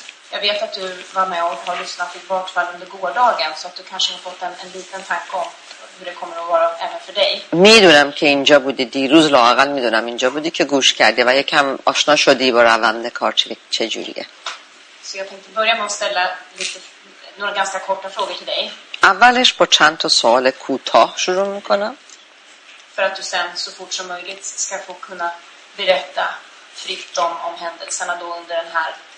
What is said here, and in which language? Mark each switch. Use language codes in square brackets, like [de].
[sv] Jag vet att du var med och har lyssnat i vart fall under gårdagen så att du kanske har fått en liten tanke om hur det kommer att vara även för dig. [fa] میدونم که اینجا بودی دیروز لااقل میدونم اینجا بودی که گوش کردی و یکم آشنا شدی با روند کار چه جوریه. [sv] Så jag tänkte börja med att ställa lite några ganska korta frågor till dig. [fa] اولش با چند تا سوال کوتاه شروع میکنم. [sv] För att du sen så fort som möjligt ska få kunna berätta fritt om händelserna då under den här